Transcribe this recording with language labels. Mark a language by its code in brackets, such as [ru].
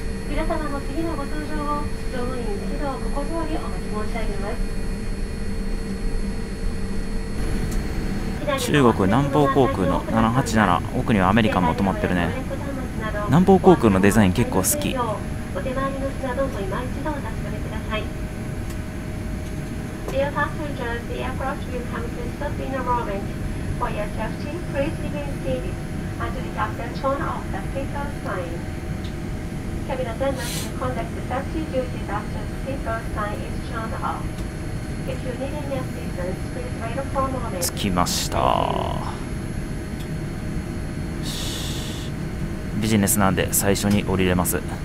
[ja] 皆様の次のご搭乗を乗務員一同心よりお待ち申し上げます。中国南方航空の787、奥にはアメリカも止まってるね。南方航空のデザイン結構好き。お手前の品どうぞ今一度お確かめください。 [en] Dear passengers, the aircraft will come to stop in a moment. For your safety, please remain seated until it has been turned off the speaker sign. Cabin attendants will conduct the safety duties after the speaker sign is turned off. If you need any assistance, please wait for a moment. [ja] 着きました。ビジネスなんで最初に降りれます。